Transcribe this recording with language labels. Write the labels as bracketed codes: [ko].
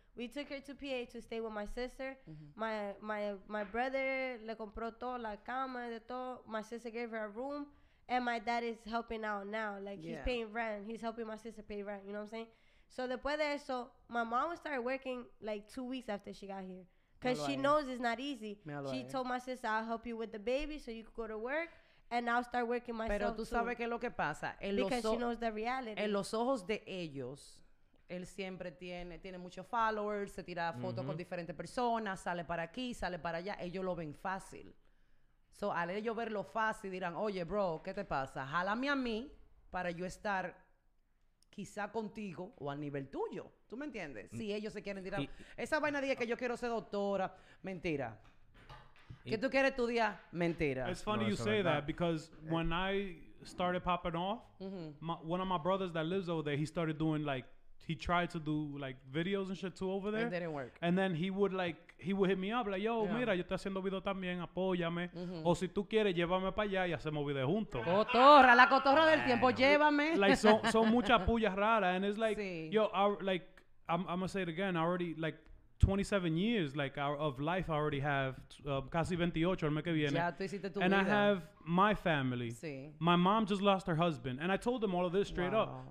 [en] We took her to PA to stay with my sister. My brother [es] le compró todo, la cama, de todo. [en] My sister gave her a room. And my dad is helping out now. Like, he's paying rent. He's helping my sister pay rent. You know what I'm saying? So, [es] después de eso, [en] my mom started working, like, 2 weeks after she got here. Because she knows it's not easy. She told my sister, I'll help you with the baby so you could go to work. And I'll start working myself, [es] Pero tú sabes qué es lo que pasa. [en] Because she knows the reality. [es] En los ojos de ellos... Él siempre tiene muchos followers, se tira fotos con diferentes personas, sale para aquí, sale para allá. Ellos lo ven fácil. So, al ellos verlo fácil, dirán, oye, bro, ¿qué te pasa? Jálame a mí para yo estar quizá contigo o al nivel tuyo. ¿Tú me entiendes? Si ellos se quieren tirar. Esa vaina dice que yo quiero ser doctora. Mentira. ¿Qué tú quieres estudiar? Mentira. [en] It's funny you say that because when I started popping off, one of my brothers that lives over there, he started doing like, he tried to do like videos and shit too over there. And didn't work. And then he would hit me up like, yo, [es] mira, yo estoy haciendo video también, apóyame. O si tú quieres, llévame para allá y hacemos video juntos. Cotorra, la cotorra del tiempo, llévame. Like, son muchas pullas raras. [en] And it's like, yo, I'm going to say it again. I already, like, 27 years like of life I already have. [es] Casi 28, el mes que viene. Ya, tú hiciste tu [en] and [es] vida. [en] I have my family. [es] Sí. [en] My mom just lost her husband. And I told them all of this straight up.